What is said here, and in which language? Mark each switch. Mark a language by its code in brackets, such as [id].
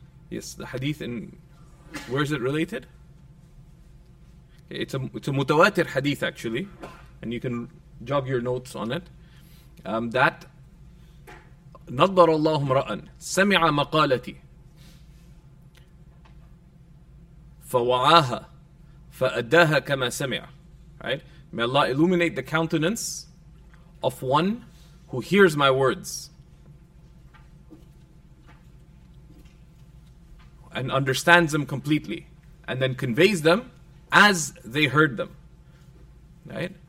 [en] Yes, the hadith in... Where is it related? It's a mutawatir hadith, actually. And you can jog your notes on it. That... [ar] نظر الله امرأ سمع مقالتي فوعاها فأداها كما سمع. [en] Right? May Allah illuminate the countenance of one who hears my words and understands them completely, and then conveys them as they heard them. Right?